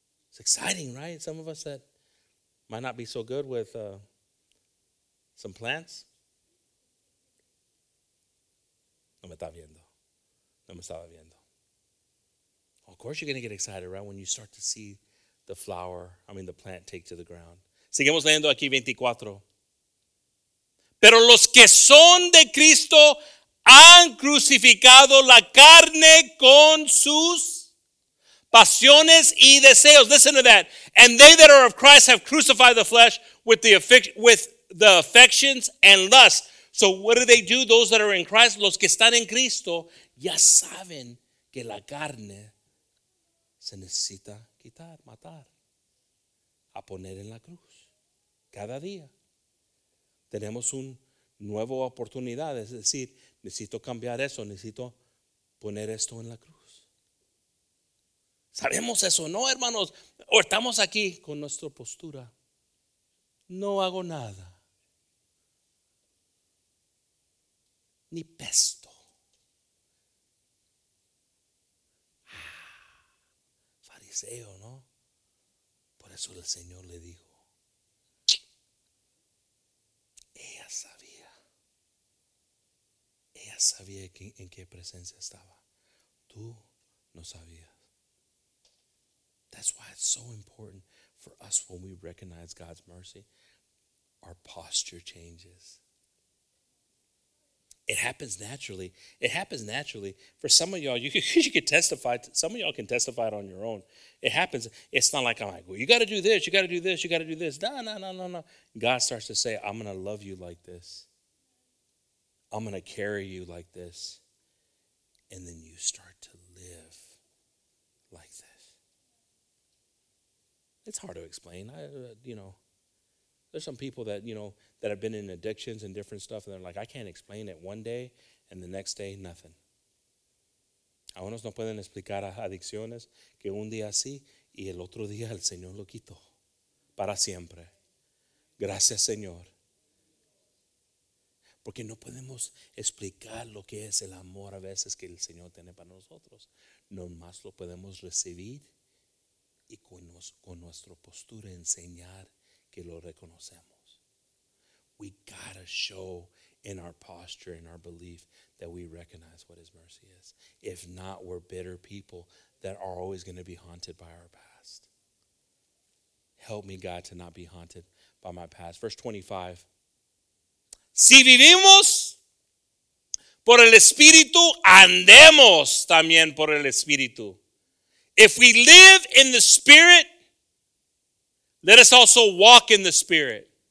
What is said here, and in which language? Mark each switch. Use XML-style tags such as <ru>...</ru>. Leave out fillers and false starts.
<en>It's exciting, right? Some of us that might not be so good with some plants.</en> <es>No me está viendo. No me estaba viendo.</es> <en>Well, of course you're going to get excited, right, when you start to see the flower, I mean the plant, take to the ground.</en> <es>Seguimos leyendo aquí 24. Pero los que son de Cristo han crucificado la carne con sus pasiones y deseos.</es> <en>Listen to that. And they that are of Christ have crucified the flesh with the affections and lusts. So what do? Those that are in Christ,</en> <es>los que están en Cristo, ya saben que la carne se necesita quitar, matar, a poner en la cruz. Cada día tenemos una nueva oportunidad. Es decir, necesito cambiar eso, necesito poner esto en la cruz. Sabemos eso, ¿no, hermanos? O estamos aquí con nuestra postura. No hago nada. Ni pesto. Fariseo, ¿no? Por eso el Señor le dijo. Ella sabía en qué presencia estaba. Tú no sabías.</es> <en>That's why it's so important for us when we recognize God's mercy. Our posture changes. It happens naturally. It happens naturally. For some of y'all, you can testify. Some of y'all can testify it on your own. It happens. It's not like I'm like, well, you got to do this. You got to do this. You got to do this. No. God starts to say, I'm going to love you like this. I'm going to carry you like this. And then you start to live like this. It's hard to explain. There's some people that, you know, that have been in addictions and different stuff, and they're like, I can't explain it one day, and the next day, nothing.</en> <es>Algunos no pueden explicar adicciones que un día sí, y el otro día el Señor lo quitó para siempre. Gracias, Señor. Porque no podemos explicar lo que es el amor a veces que el Señor tiene para nosotros. Nomás lo podemos recibir y con nuestra postura enseñar que lo reconocemos.</es> <en>We gotta show in our posture, in our belief, that we recognize what His mercy is. If not, we're bitter people that are always going to be haunted by our past. Help me, God, to not be haunted by my past. Verse 25.</en> <es>Si vivimos por el Espíritu, andemos también por el Espíritu.</es> <en>If we live in the Spirit, let us also walk in the Spirit.</en>